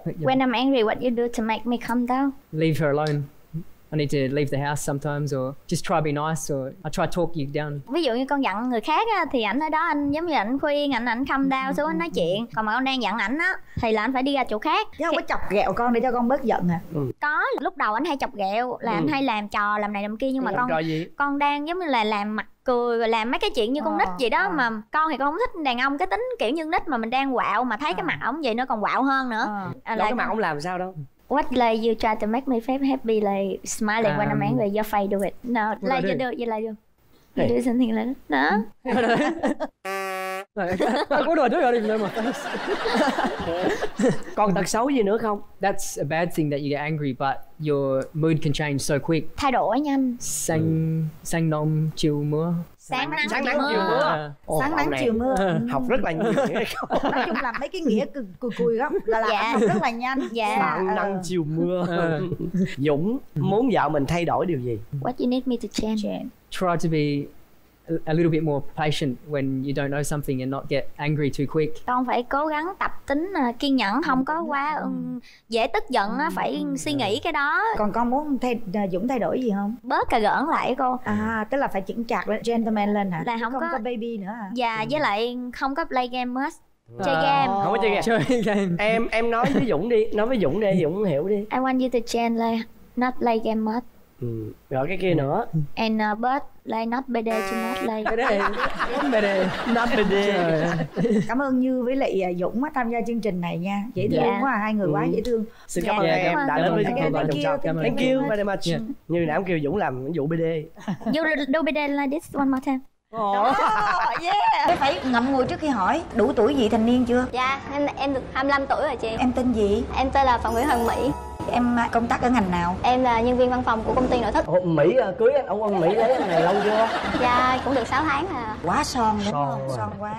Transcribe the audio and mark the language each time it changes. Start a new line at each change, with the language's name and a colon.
English: When I'm angry, what you do to make me calm down? Leave her alone. I need to leave the house sometimes, or just try to be nice, or I try to talk you down.
Vietnamese: Ví dụ như con giận người khác á, thì ảnh ở đó anh giống như ảnh khuyên, ảnh
English: calm down
Vietnamese: xuống anh nói chuyện. Còn mà con đang giận ảnh á, thì là anh phải đi ra chỗ khác. Chứ không có chọc ghẹo con để cho con bớt giận à? Ừ. Có, lúc đầu anh hay chọc ghẹo, là anh hay làm trò, làm này làm kia. Nhưng mà con đang giống như là làm mặt cười, làm mấy cái chuyện như con nít vậy đó. Mà con thì con không thích đàn ông cái tính kiểu như nít mà mình đang quạo, mà thấy cái mặt ổng vậy nó còn quạo hơn nữa. Cái mặt ổng làm sao đâu.
English: What like you try to make me feel happy, like smiling when I'm angry, your face do it. No, like you do, you like you. You do something like that. No? What do I do? I don't even know my face.
Vietnamese: Còn tật xấu gì nữa không?
English: That's a bad thing that you get angry, but your mood can change so quick.
Vietnamese: Thay đổi nhanh. Sáng nóng chiều mưa. Sáng nắng chiều mưa. Sáng nắng chiều mưa. Học rất là nhiều. Nói chung là mấy cái nghĩa cùi gốc là học rất là nhanh. Sáng nắng chiều mưa. Dũng muốn vợ mình thay đổi điều gì?
English: What you need me to change? Try to be a little bit more patient when you don't know something and not get angry too quick.
Vietnamese: Con phải cố gắng tập tính kiên nhẫn, không có quá dễ tức giận, phải suy nghĩ cái đó. Còn con muốn Dũng thay đổi gì không? Bớt cà gỡn lại cô. Tức là phải chững chạc lên, gentleman lên hả? Là không có baby nữa hả? Dạ, với lại không có
English: play game much.
Vietnamese: Chơi game. Không có chơi game. Em nói với Dũng đi, Dũng hiểu đi.
English: I want you to change, like, not play game much.
Vietnamese: Rồi cái kia nữa.
English: And but like not bad to not like. Bad day. Not bad day.
Vietnamese: Cảm ơn Như với lại Dũng á tham gia chương trình này nha. Dễ thương quá, hai người quá dễ thương. Xin cảm ơn em đã đến với chương trình.
English: Thank you very much.
Vietnamese: Như nãy em kêu Dũng làm vụ BD.
English: You do BD like this one more time. Oh.
Vietnamese: Yeah. Thế phải ngậm ngùi trước khi hỏi, đủ tuổi vị thành niên chưa? Dạ, em được 25 tuổi rồi chị. Em tên gì? Em tên là Phạm Nguyễn Hoàng Mỹ. Em công tác ở ngành nào? Em là nhân viên văn phòng của công ty nội thất. Ủa, Mỹ cưới ông Quân Mỹ lấy này lâu chưa? Dạ, cũng được 6 tháng rồi. Quá son đúng không? Son quá.